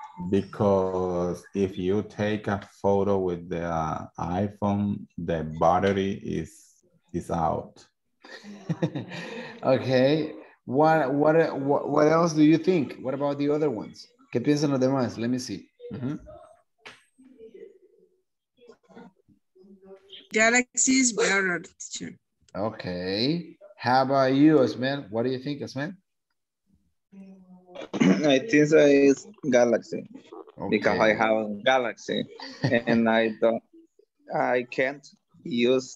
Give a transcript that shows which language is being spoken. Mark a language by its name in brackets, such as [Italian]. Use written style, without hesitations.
[English] Because if you take a photo with the iPhone, the battery is out. Okay. What else do you think? What about the other ones? [Spanish] ¿Qué piensan los demás? [English] Let me see. [Spanish] Mm-hmm. [English] Galaxy is better, teacher. Okay. How about you, Osman? What do you think, Osman? I think so it's Galaxy. Okay. Because I have a Galaxy and I don't, I can't use